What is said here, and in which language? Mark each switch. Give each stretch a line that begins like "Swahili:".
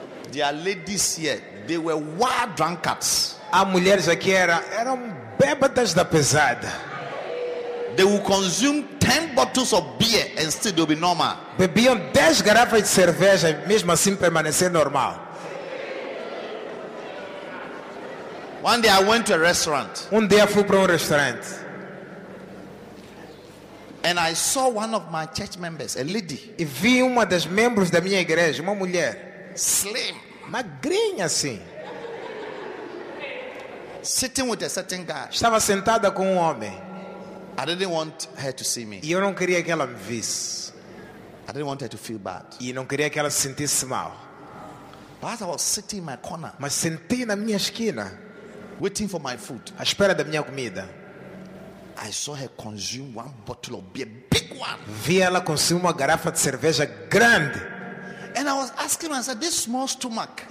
English: There are ladies here. They were wild drunkards.
Portuguese: Há mulheres aqui eram bêbadas da pesada.
English: They will consume 10 bottles of beer and still be normal.
Portuguese: Bebiam 10 garrafas de cerveja e mesmo assim permanecer normal.
English: One day I went to a restaurant.
Portuguese: Um dia fui para restaurante.
English: And I saw one of my church members, a lady.
Portuguese: E vi uma das membros da minha igreja, uma mulher.
English: Slim.
Portuguese: Magrinha assim.
English: Sitting with a certain guy.
Portuguese: Estava sentada com homem.
English: I didn't want her to see me.
Portuguese: E eu não queria que ela me visse.
English: I didn't want her to feel bad.
Portuguese: E não queria que ela se sentisse mal.
English: But I was sitting in my corner.
Portuguese: Mas sentei na minha esquina.
English: Waiting for my food.
Portuguese: À espera da minha comida.
English: I saw her consume one bottle of beer, big one.
Portuguese: Vi ela consumir uma garrafa de cerveja grande.
English: And I was asking myself, this small stomach.